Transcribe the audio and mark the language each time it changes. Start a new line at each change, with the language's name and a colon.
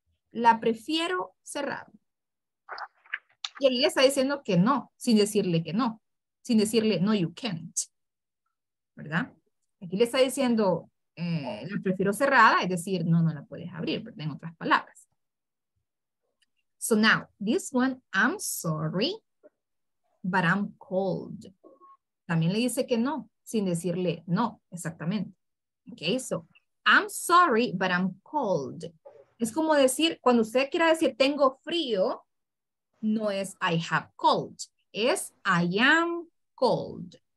Spanish: La prefiero cerrada. Y ahí le está diciendo que no, sin decirle que no. Sin decirle,
English: no, you can't.
Spanish: ¿Verdad? Aquí le está diciendo... la prefiero cerrada, es decir, no, no la puedes abrir, ¿verdad? En otras palabras.
English: So now, this one, I'm sorry, but I'm cold.
Spanish: También le dice que no, sin decirle no, exactamente.
English: Okay, so, I'm sorry, but I'm cold.
Spanish: Es como decir, cuando usted quiera decir tengo frío, no es
English: I have cold,
Spanish: es
English: I am cold.